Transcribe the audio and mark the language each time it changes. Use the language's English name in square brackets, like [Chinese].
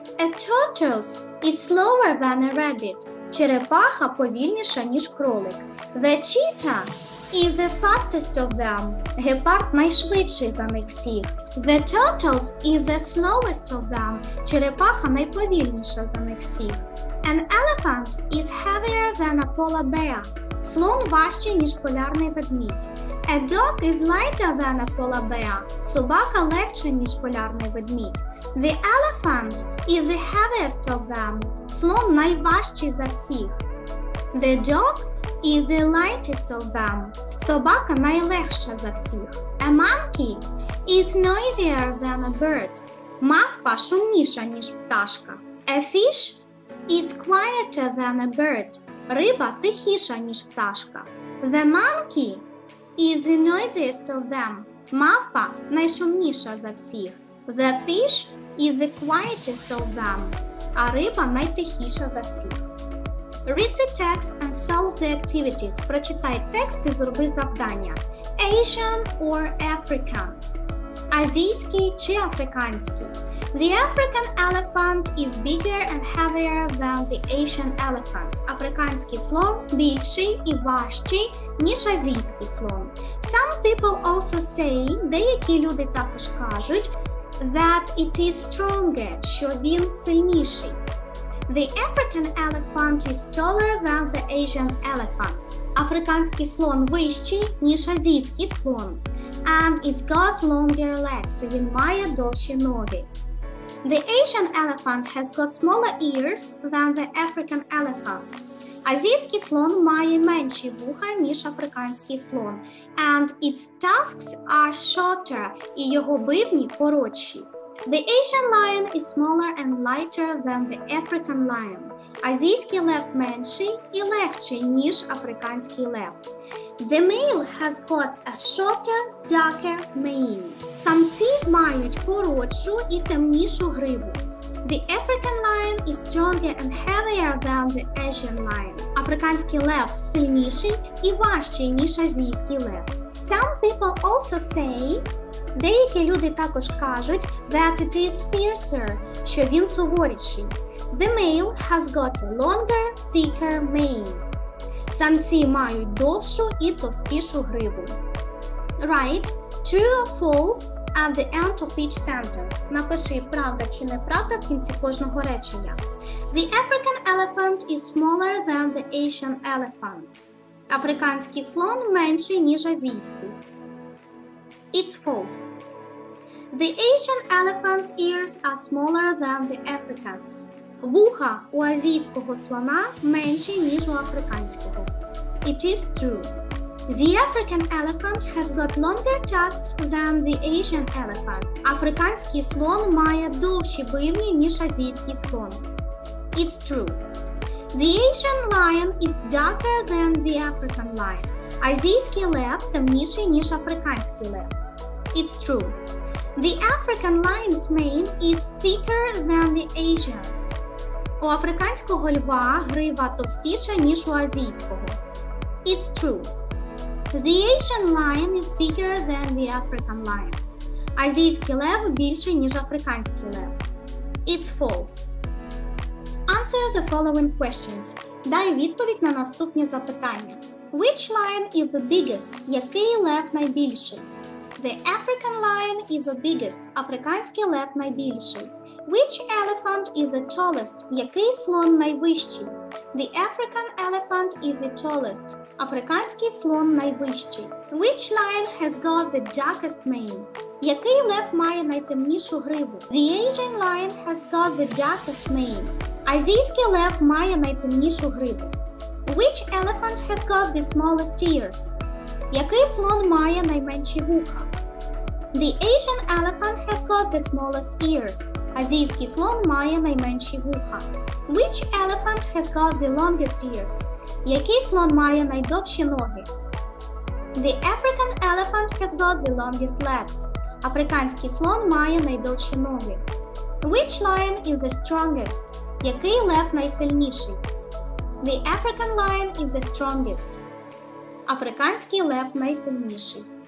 [English] A turtle is slower than a rabbit. [Ukrainian] Черепаха повільніша, ніж кролик. [English] The cheetah is the fastest of them. [Ukrainian] Гепард найшвидший за них всіх. [English] The turtle is the slowest of them. [Ukrainian] Черепаха найповільніша за них всіх. [English] An elephant is heavier than a polar bear. [Ukrainian] Слон важчий, ніж полярний ведмідь. [English] A dog is lighter than a polar bear. [Ukrainian] Собака легша, ніж полярний ведмідь. [English] The elephant is the heaviest of them. [Ukrainian] Слон найважчий за всіх. [English] The dog is the lightest of them. [Ukrainian] Собака найлегша за всіх. [English] A monkey is noisier than a bird. [Ukrainian] Мавпа шумніша, ніж пташка. [English] A fish is quieter than a bird. [Ukrainian] Риба тихіша, ніж пташка. [English] The monkey is the noisiest of them. [Ukrainian] Мавпа найшумніша за всіх. [English] The fish is the quietest of them. [Ukrainian] А риба найтихіша за всіх. [English] Read the text and solve the activities. [Ukrainian] Прочитай текст і зроби завдання. [English] Asian or African? [Ukrainian] Азійський чи африканський? [English] The African elephant is bigger and heavier than the Asian elephant. [Ukrainian] Африканський слон більший і важчий, ніж азійський слон. [English] Some people also say, [Ukrainian] деякі люди також кажуть, [English] that it is stronger, [Ukrainian] що він сильніший. [English] The African elephant is taller than the Asian elephant. [Ukrainian] Африканський слон вищий, ніж азійський слон. [English] And it's got longer legs, [Ukrainian] він має довші ноги. [English] The Asian elephant has got smaller ears than the African elephant. [Ukrainian] Азійський слон має менші вуха, ніж африканський слон. [English] And its tusks are shorter, [Ukrainian] і його бивні коротші. [English] The Asian lion is smaller and lighter than the African lion. [Ukrainian] Азійський лев менший і легший, ніж африканський лев. [English] The male has got a shorter, darker mane. [Ukrainian] Самці мають коротшу і темнішу гриву. [English] The African lion is stronger and heavier than the Asian lion. [Ukrainian] Африканський лев сильніший і важчий, ніж азійський лев. [English] Some people also say, [Ukrainian] деякі люди також кажуть, [English] that it is fiercer, [Ukrainian] що він суворіший. [English] The male has got a longer, thicker mane. [Ukrainian] Самці мають довшу і товстішу гриву. [English] Write true or false at the end of each sentence. [Ukrainian] Напиши правда чи неправда в кінці кожного речення. [English] The African elephant is smaller than the Asian elephant. [Ukrainian] Африканський слон менший, ніж азійський. [English] It's false. The Asian elephant's ears are smaller than the African's. [Ukrainian] Вуха у азійського слона менші, ніж у африканського. [English] It is true. The African elephant has got longer tusks than the Asian elephant. [Ukrainian] Африканський слон має довші бивні, ніж азійський слон. [English] It's true. The Asian lion is darker than the African lion. [Ukrainian] Азійський лев темніший, ніж африканський лев. [English] It's true. The African lion's mane is thicker than the Asian's. [Ukrainian] У африканського льва грива товстіша, ніж у азійського. [English] It's true. The Asian lion is bigger than the African lion. [Ukrainian] Азійський лев більший, ніж африканський лев. [English] It's false. Answer the following questions. [Ukrainian] Дай відповідь на наступні запитання. [English] Which lion is the biggest? [Ukrainian] Який лев найбільший? [English] The African lion is the biggest. [Ukrainian] Африканський лев найбільший. [English] Which elephant is the tallest? [Ukrainian] Який слон найвищий? [English] The African elephant is the tallest. [Ukrainian] Африканський слон найвищий. [English] Which lion has got the darkest mane? [Ukrainian] Який лев має найтемнішу гриву? [English] The Asian lion has got the darkest mane. [Ukrainian] Азійський лев має найтемнішу гриву. [English] Which elephant has got the smallest ears? [Ukrainian] Який слон має найменші вуха? [English] The Asian elephant has got the smallest ears. [Ukrainian] Азійський слон має найменші вуха. [English] Which elephant has got the longest ears? [Ukrainian] Який слон має найдовші ноги? [English] The African elephant has got the longest legs. [Ukrainian] Африканський слон має найдовші ноги. [English] Which lion is the strongest? [Ukrainian] Який лев найсильніший? [English] The African lion is the strongest. [Ukrainian] Африканський лев найсильніший.